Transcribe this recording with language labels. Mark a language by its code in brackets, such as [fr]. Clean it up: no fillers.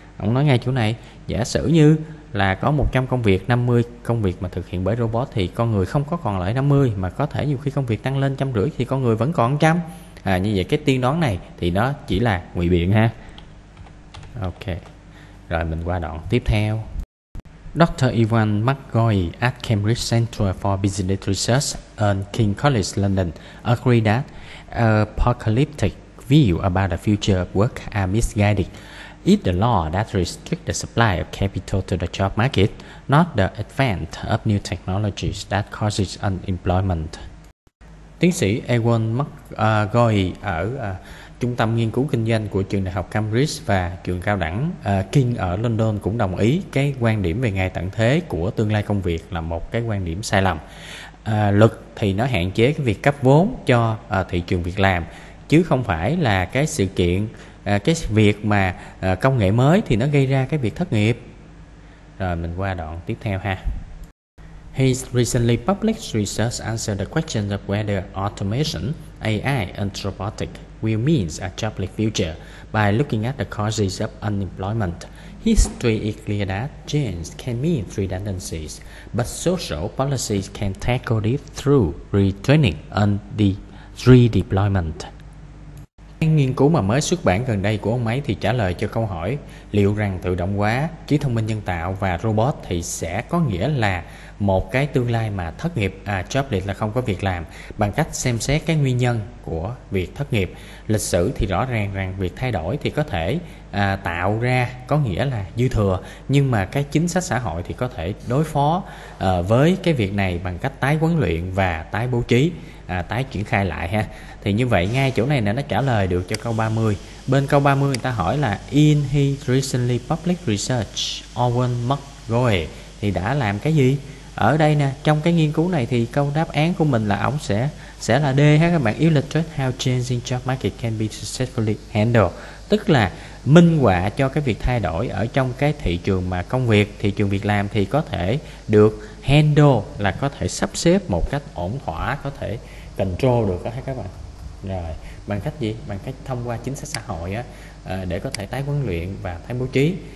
[vi] Ông nói ngay chỗ này, giả sử như là có 100 công việc, 50 công việc mà thực hiện bởi robot thì con người không có còn lại 50, mà có thể nhiều khi công việc tăng lên 150 thì con người vẫn còn 100. Như vậy cái tiên đoán này thì nó chỉ là ngụy biện ha. Ok, rồi mình qua đoạn tiếp theo. [en] Dr. Ivan McGoy at Cambridge Center for Business Research and King's College London agreed that apocalyptic view about the future of work are misguided. It's the law that restricts the supply of capital to the job market, not the advent of new technologies that causes unemployment. [vi] Tiến sĩ Ivan McGoy ở Trung tâm nghiên cứu kinh doanh của trường đại học Cambridge và trường cao đẳng King ở London cũng đồng ý cái quan điểm về ngày tận thế của tương lai công việc là một cái quan điểm sai lầm. Luật thì nó hạn chế cái việc cấp vốn cho thị trường việc làm, chứ không phải là cái sự kiện, cái việc mà công nghệ mới thì nó gây ra cái việc thất nghiệp. Rồi mình qua đoạn tiếp theo ha. [en] His recently published research answered the question of whether automation, AI and robotics will mean a jobless future by looking at the causes of unemployment. History is clear that change can mean redundancies, but social policies can tackle it through retraining and redeployment. [vi] Nghiên cứu mà mới xuất bản gần đây của ông ấy thì trả lời cho câu hỏi liệu rằng tự động hóa, trí thông minh nhân tạo và robot thì sẽ có nghĩa là một cái tương lai mà thất nghiệp, jobless là không có việc làm, bằng cách xem xét cái nguyên nhân của việc thất nghiệp. Lịch sử thì rõ ràng rằng việc thay đổi thì có thể tạo ra có nghĩa là dư thừa, nhưng mà cái chính sách xã hội thì có thể đối phó với cái việc này bằng cách tái huấn luyện và tái bố trí, tái triển khai lại ha. Thì như vậy ngay chỗ này nó trả lời được cho câu 30. Bên câu 30 người ta hỏi là [en] in his recently published research, [vi] Owen McGoy thì đã làm cái gì? Ở đây nè, trong cái nghiên cứu này thì câu đáp án của mình là ổng sẽ là D ha các bạn. [en] Illustrate how changing job market can be successfully handled. [vi] Tức là minh họa cho cái việc thay đổi ở trong cái thị trường mà công việc, thị trường việc làm thì có thể được handle, là có thể sắp xếp một cách ổn thỏa, có thể control được đó ha các bạn. Rồi, bằng cách gì? Bằng cách thông qua chính sách xã hội á, để có thể tái huấn luyện và tái bố trí.